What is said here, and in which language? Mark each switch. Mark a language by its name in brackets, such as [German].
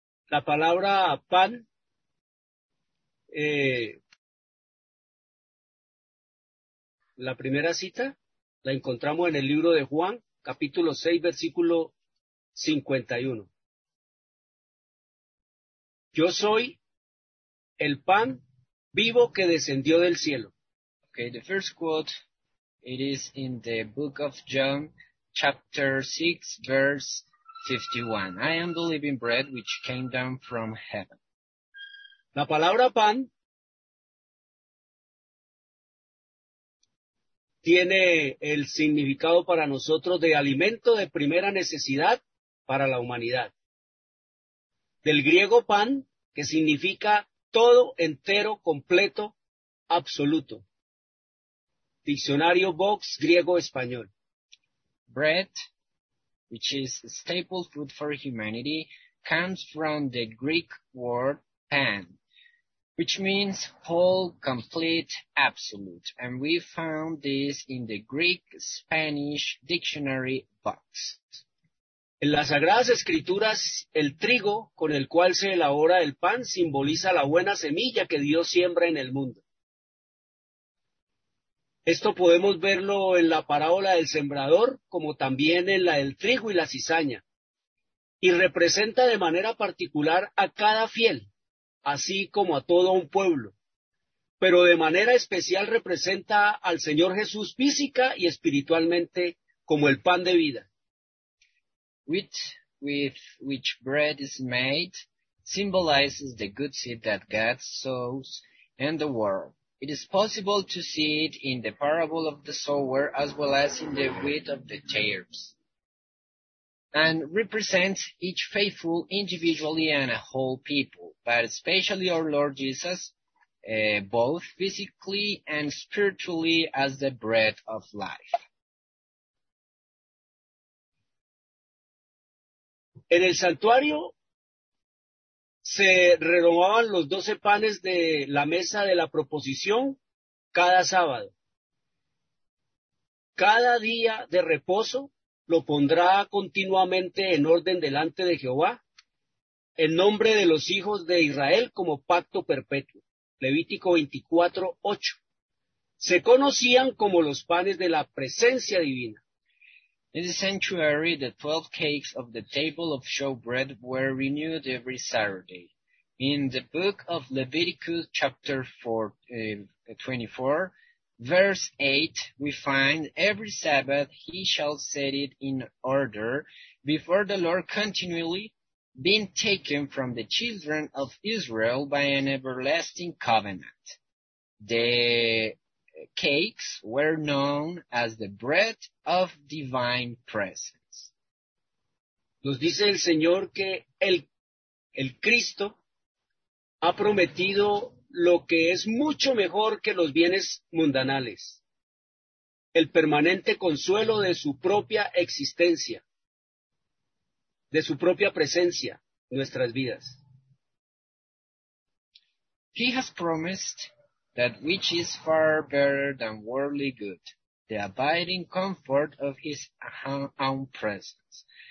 [Spanish] La palabra pan la primera cita la encontramos en el libro de Juan, capítulo 6, versículo 51. Yo soy el pan vivo que descendió del cielo. [English] Okay, the first quote, it is in the book of John, chapter 6, verse 51. I am the living bread which came down from heaven. [Spanish] La palabra pan tiene el significado para nosotros de alimento de primera necesidad para la humanidad. Del griego pan, que significa todo, entero, completo, absoluto. Diccionario Box, griego español. [English] Bread, which is staple food for humanity, comes from the Greek word pan, which means whole, complete, absolute. And we found this in the Greek-Spanish dictionary box. [Spanish] En las Sagradas Escrituras, el trigo con el cual se elabora el pan simboliza la buena semilla que Dios siembra en el mundo. Esto podemos verlo en la parábola del sembrador, como también en la del trigo y la cizaña, y representa de manera particular a cada fiel, así como a todo un pueblo, pero de manera especial representa al Señor Jesús física y espiritualmente como el pan de vida. [English] Wheat with which bread is made symbolizes the good seed that God sows in the world. It is possible to see it in the parable of the sower as well as in the wheat of the tares, and represents each faithful individually and a whole people, but especially our Lord Jesus, both physically and spiritually as the bread of life. [Spanish] En el santuario se renovaban los 12 panes de la mesa de la proposición cada sábado. Cada día de reposo lo pondrá continuamente en orden delante de Jehová, en nombre de los hijos de Israel como pacto perpetuo. Levítico 24:8. Se conocían como los panes de la presencia divina. [English] In the sanctuary, the 12 cakes of the table of showbread were renewed every Saturday. In the book of Leviticus chapter 24, verse 8, we find every Sabbath he shall set it in order before the Lord continually, being taken from the children of Israel by an everlasting covenant. The cakes were known as the bread of divine presence. [Spanish] Nos dice el Señor que el Cristo ha prometido lo que es mucho mejor que los bienes mundanales, el permanente consuelo de su propia existencia, de su propia presencia en nuestras vidas. [English] He has promised that which is far better than worldly good, the abiding comfort of his own presence.